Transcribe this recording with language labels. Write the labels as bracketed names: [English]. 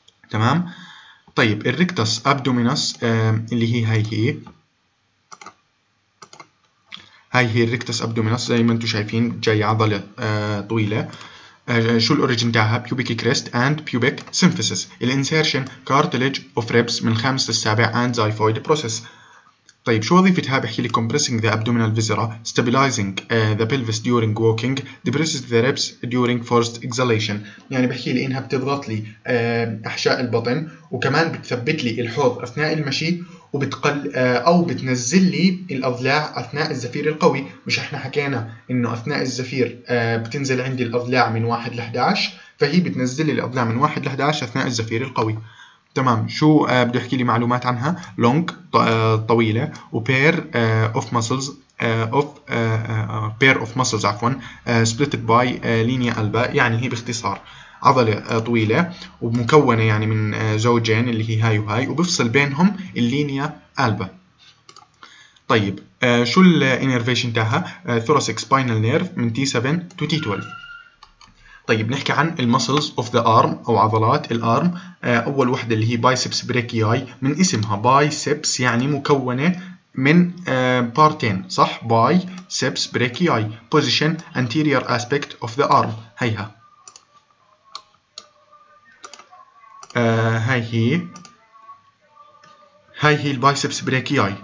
[Arabic] تمام، طيب الريكتس ابدومينس اللي هي الريكتس ابدومينس، زي ما انتم شايفين جاي عضله طويله. شو الاوريجين تاعها؟ بيوبيك كريست اند بيوبيك سيمفيسس. الانسيرشن كارتليج اوف ريبس من 5 ل 7، اند زايفويد بروسيس. طيب شو وظيفتها؟ بحكي لي [English] compressing the abdominal viscera, stabilizing the pelvis during walking, depresses the ribs during forced exhalation. [Arabic] يعني بحكي لي إنها بتضغط لي أحشاء البطن وكمان بتثبت لي الحوض أثناء المشي وبتقل أو بتنزل لي الأضلاع أثناء الزفير القوي. مش إحنا حكينا إنه أثناء الزفير بتنزل عندي الأضلاع من 1 ل 11, فهي بتنزل لي الأضلاع من 1 ل 11 أثناء الزفير القوي. تمام, شو بده يحكي لي معلومات عنها؟ long طويلة و [English] pair of muscles of pair of muscles [Arabic] عفوا [English] splitted by linea alba, [Arabic] يعني هي باختصار عضلة طويلة ومكونة يعني من زوجين اللي هي هاي وهاي وبفصل بينهم linea alba. طيب شو ال [English] innervation تاعها؟ thoracic spinal nerve من T7 to T12. [Arabic] طيب نحكي عن المسلز اوف ذا ارم او عضلات الارم. اول وحده اللي هي بايسبس بريكياي, من اسمها بايسبس يعني مكونه من بارتين صح, بايسبس بريكياي, بوزيشن انتيرير اسبيكت اوف ذا ارم, هيها هاي هي البايسبس بريكياي.